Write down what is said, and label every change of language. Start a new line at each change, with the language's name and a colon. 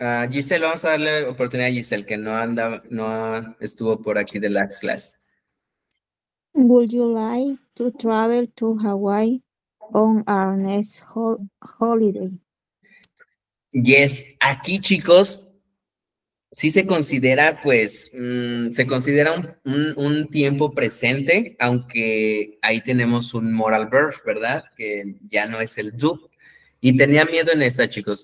Spanish: Giselle, vamos a darle oportunidad a Giselle, que no anda, no estuvo por aquí de
English: last class. Would you like to travel to Hawaii on our next holiday?
Spanish: Yes, aquí chicos, sí se considera, pues, se considera un tiempo presente, aunque ahí tenemos un
English: moral verb,
Spanish: ¿verdad? Que ya no es el do. Y tenía miedo en esta, chicos.